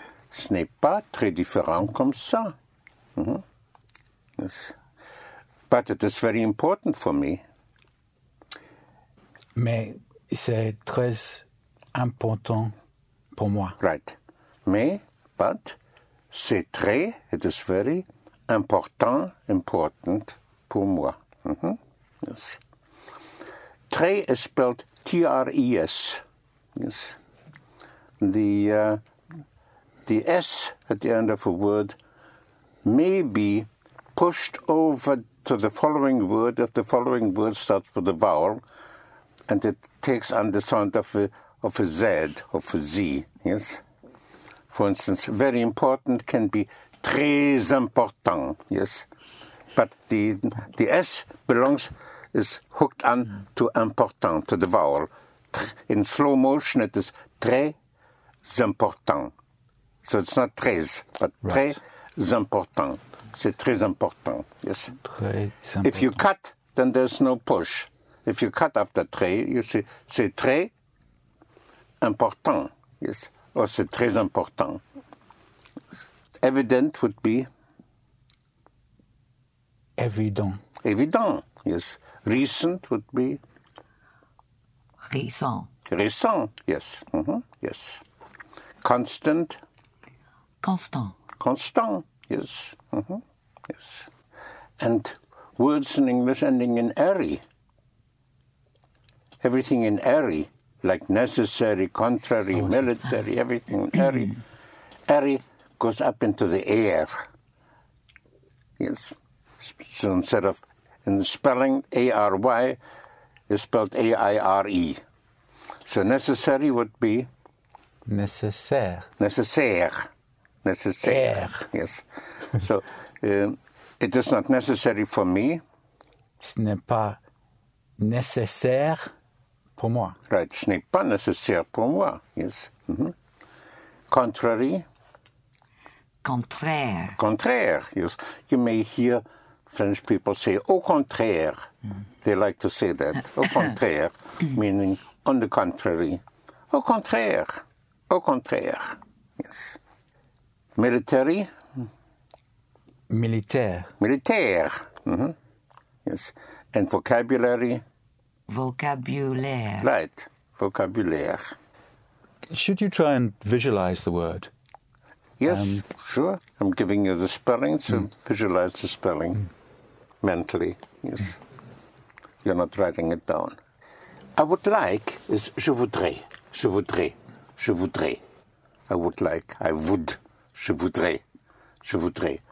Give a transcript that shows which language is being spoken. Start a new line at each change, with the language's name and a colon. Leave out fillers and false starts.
French: Ce n'est pas très différent comme ça.
English: Mm-hmm. Yes. But it is very important for me.
French: Mais c'est très important pour moi.
English: Right.
French: Mais,
English: but,
French: c'est très,
English: it is very important,
French: important pour moi.
English: Mm-hmm. Yes. Très is spelled T-R-E-S. Yes. The S at the end of a word may be pushed over to the following word if the following word starts with a vowel and it takes on the sound of a Z, of a Z, yes? For instance, very important can be
French: très important,
English: yes? But the S belongs, is hooked on to important, to the vowel. In slow motion, it is
French: très important.
English: So it's not très, but right.
French: Très important. C'est très important. Yes. Très important.
English: If you cut, then there's no push. If you cut after très, you say
French: c'est très important.
English: Yes. Or
French: c'est très important.
English: Evident would be
French: évident.
English: Évident. Yes. Recent would be
French: récent.
English: Récent. Yes. Mm-hmm. Yes. Constant.
French: Constant.
English: Constant. Yes. Mm-hmm. Yes. And words in English ending in ery. Everything in ery, like necessary, contrary, military, everything in ery. Ery goes up into the air. Yes. So instead of in the spelling, A-R-Y is spelled A-I-R-E. So necessary would be?
French: Nécessaire. Nécessaire. Nécessaire.
English: Air. Yes. So, it is not necessary for me.
French: Ce n'est pas nécessaire pour moi.
English: Right.
French: Ce n'est pas nécessaire pour moi.
English: Yes. Mm-hmm. Contrary.
French: Contraire. Contraire. Yes.
English: You may hear French people say,
French: au contraire.
English: Mm. They like to say that.
French: Au contraire.
English: Meaning, on the contrary.
French: Au contraire. Au contraire. Yes. Military. Militaire.
English: Militaire. Mm-hmm. Yes. And vocabulary.
French: Vocabulaire.
English: Right. Vocabulaire. Should you try and visualize the word? Yes, sure. I'm giving you the spelling, so visualize the spelling mentally. Yes. Mm. You're not writing it down. I would like is
French: je voudrais. Je voudrais. Je voudrais.
English: I would like. I would.
French: Je voudrais. Je voudrais.